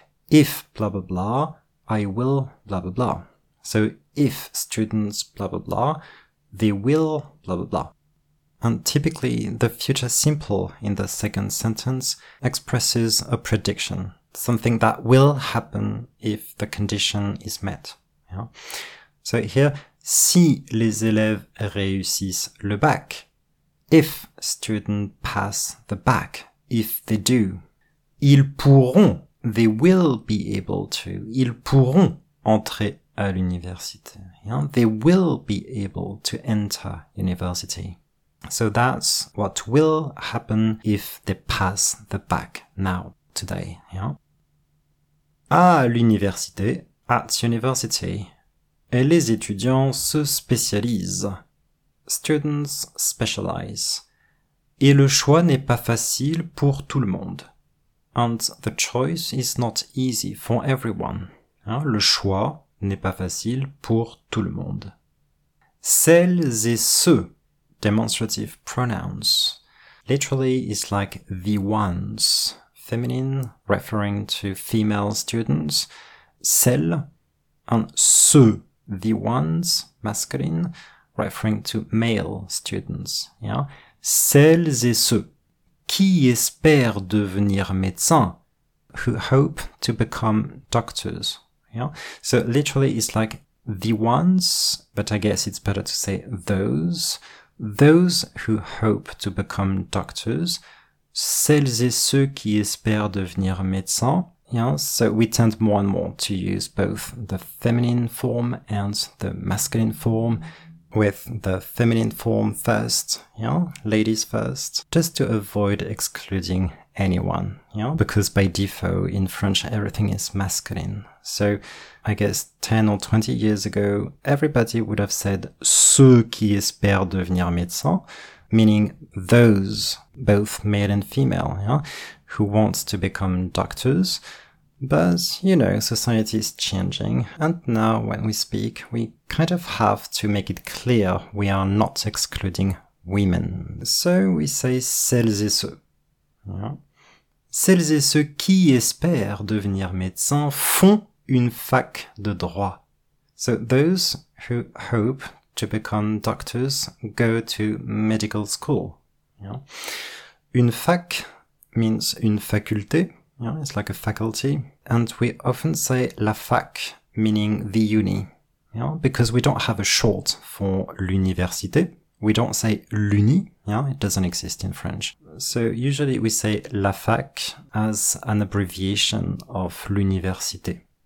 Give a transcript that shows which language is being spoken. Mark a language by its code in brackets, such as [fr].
[en] If blah, blah, blah, I will blah, blah, blah. So if students blah, blah, blah, they will blah, blah, blah. And typically, the future simple in the second sentence expresses a prediction, something that will happen if the condition is met. Yeah. So here, [fr] si les élèves réussissent le bac, [en] if students pass the bac, if they do, [fr] ils pourront, [en] they will be able to, [fr] ils pourront entrer à l'université. [en] Yeah. They will be able to enter university. So that's what will happen if they pass the bac now, today, yeah? [fr] À l'université, [en] at university, [fr] et les étudiants se spécialisent. [en] Students specialize. [fr] Et le choix n'est pas facile pour tout le monde. [en] And the choice is not easy for everyone. [fr] Hein? Le choix n'est pas facile pour tout le monde. Celles et ceux. [en] Demonstrative pronouns. Literally, it's like the ones. Feminine, referring to female students. Celles. And ceux. The ones, masculine, referring to male students. [fr] Yeah? Celles et ceux. Qui espèrent devenir médecin? [en] Who hope to become doctors. Yeah? So literally, it's like the ones, but I guess it's better to say those. Those who hope to become doctors, [fr] celles et ceux qui espèrent devenir médecins. [en] Yeah, so we tend more and more to use both the feminine form and the masculine form, with the feminine form first, yeah, ladies first, just to avoid excluding anyone, yeah, because by default in French everything is masculine. So I guess 10 or 20 years ago, everybody would have said [fr] ceux qui espèrent devenir médecin, [en] meaning those, both male and female, yeah, who want to become doctors. But, you know, society is changing, and now when we speak, we kind of have to make it clear we are not excluding women. So we say [fr] celles et ceux. [en] Yeah. [fr] Celles et ceux qui espèrent devenir médecins font une fac de droit. [en] So those who hope to become doctors go to medical school. Yeah. [fr] Une fac [en] means [fr] une faculté. [en] Yeah, it's like a faculty. And we often say la fac, meaning the uni. Yeah, because we don't have a short for l'université. We don't say l'uni. Yeah, it doesn't exist in French. So usually we say la fac as an abbreviation of l'université.